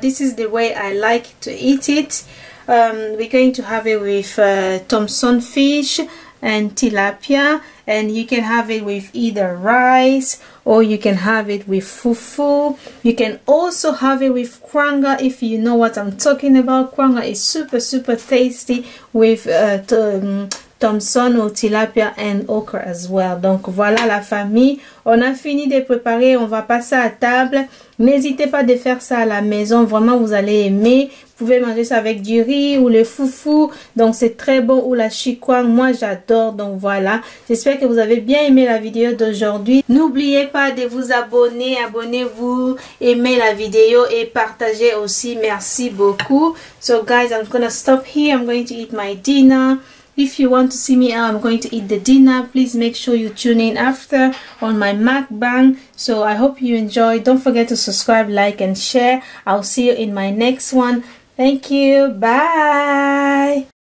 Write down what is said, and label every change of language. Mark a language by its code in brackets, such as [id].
[en] This is the way I like to eat it. We're going to have it with Thompson fish and tilapia, and you can have it with either rice, or you can have it with fufu. You can also have it with kwanga if you know what I'm talking about. Kwanga is super super tasty with thomson ou tilapia and okra as well. [fr] Donc voilà la famille, on a fini de préparer, on va passer à table. N'hésitez pas de faire ça à la maison, vraiment vous allez aimer. Vous pouvez manger ça avec du riz ou le foufou, donc c'est très bon, ou la chikwang, moi j'adore. Donc voilà, j'espère que vous avez bien aimé la vidéo d'aujourd'hui. N'oubliez pas de vous abonner, abonnez-vous, aimez la vidéo et partagez aussi, merci beaucoup. [en] So guys, I'm gonna stop here, I'm going to eat my dinner. If you want to see me out, I'm going to eat the dinner. Please make sure you tune in after on my mukbang. So I hope you enjoy. Don't forget to subscribe, like, and share. I'll see you in my next one. Thank you. Bye.